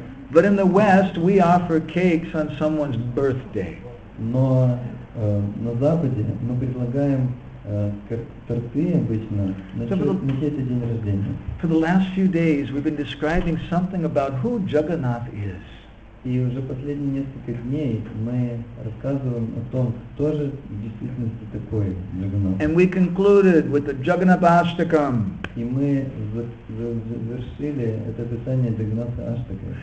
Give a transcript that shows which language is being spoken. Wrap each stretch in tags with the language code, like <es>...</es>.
<en>But in the West, we offer cakes on someone's birthday.</en> <ru>Но на Западе мы предлагаем торты обычно на чей-то день рождения.</ru> <en>For the last few days, we've been describing something about who Jagannath is.</en> <ru>И уже последние несколько дней мы рассказываем о том, кто же в действительности такой Джаганнат.</ru> <en>And we concluded with the Jagannath Ashtakam.</en> <ru>И мы завершили это описание Джаганнатха Аштака.</ru>